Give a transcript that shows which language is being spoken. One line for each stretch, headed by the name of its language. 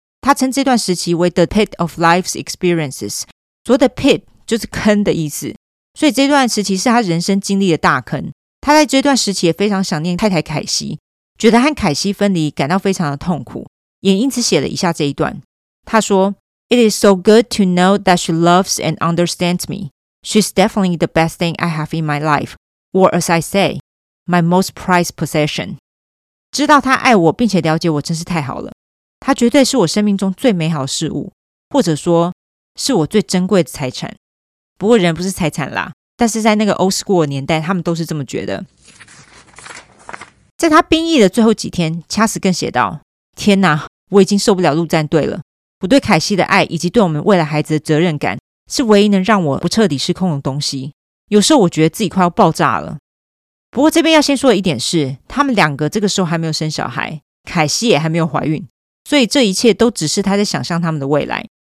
Chinese: 他称这段时期为 The Pit of Life's Experiences， 所谓的 Pit 就是坑的意思，所以这段时期是他人生经历的大坑。他在这段时期也非常想念太太凯西，觉得和凯西分离感到非常的痛苦，也因此写了以下这一段。他说
English: It is so good to know that she loves and understands me. She's definitely the best thing I have in my life, or as I say, my most prized possession.
Chinese: 知道他爱我并且了解我真是太好了，他绝对是我生命中最美好的事物，或者说是我最珍贵的财产。不过人不是财产啦，但是在那个 old school 年代，他们都是这么觉得。在他兵役的最后几天，掐死更写道，天哪，我已经受不了陆战队了，我对凯西的爱以及对我们未来孩子的责任感是唯一能让我不彻底失控的东西，有时候我觉得自己快要爆炸了。不过这边要先说的一点是，他们两个这个时候还没有生小孩，凯西也还没有怀孕，所以这一切都只是他在想象他们的未来。